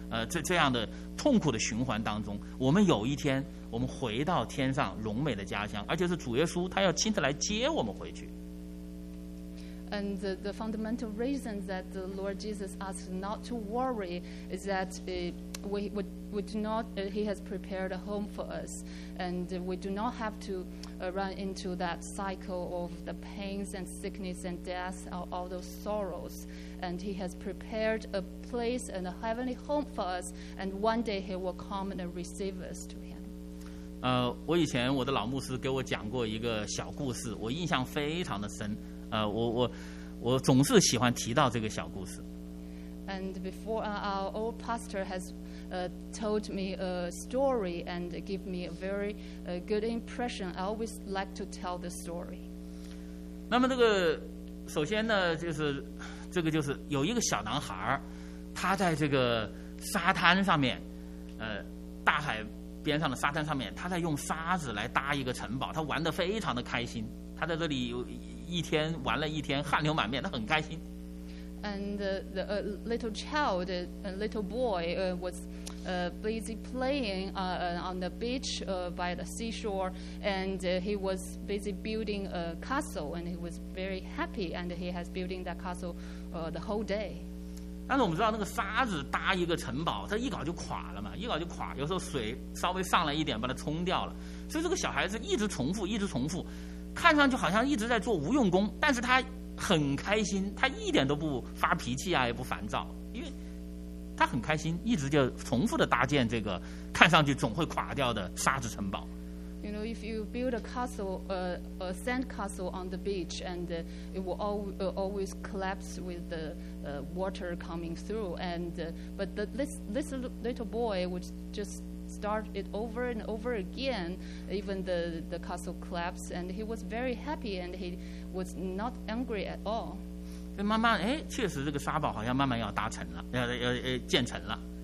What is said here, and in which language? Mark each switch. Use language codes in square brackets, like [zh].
[zh] 这样的痛苦的循环当中，我们有一天我们回到天上荣美的家乡，而且是主耶稣他要亲自来接我们回去。 [en] And the fundamental reason that the Lord Jesus asked not to worry is that he has prepared a home for us, and we do not have to run into that cycle of the pains and sickness and death, all those sorrows. And he has prepared a place and a heavenly home for us, and one day he will come and receive us to him. [zh] 我以前我的老牧师给我讲过一个小故事，我印象非常的深。我总是喜欢提到这个小故事。 [en] And before our old pastor has told me a story and give me a very good impression, I always like to tell the story. [zh] 那么这个首先呢，就是这个就是有一个小男孩，他在这个沙滩上面，大海边上的沙滩上面，他在用沙子来搭一个城堡，他玩得非常的开心。他在这里有一天玩了一天，汗流满面，他很开心。 [en] And a little boy was busy playing on the beach by the seashore, and he was busy building a castle, and he was very happy, and he has building that castle the whole day. [zh] 但是我们知道，那个沙子搭一个城堡，它一搞就垮了嘛，一搞就垮。有时候水稍微上来一点，把它冲掉了。所以这个小孩子一直重复，一直重复。看上去好像一直在做无用功，但是他很开心，他一点都不发脾气啊，也不烦躁，因为他很开心，一直就重复的搭建这个看上去总会垮掉的沙子城堡。 [en] You know, if you build a castle, a sand castle on the beach, and it will always collapse with the water coming through, and but this little boy would just. Start it over and over again, even the castle collapsed, and he was very happy, and he was not angry at all. [zh] 就慢慢，哎，确实这个沙堡好像慢慢要搭成了，要建成了。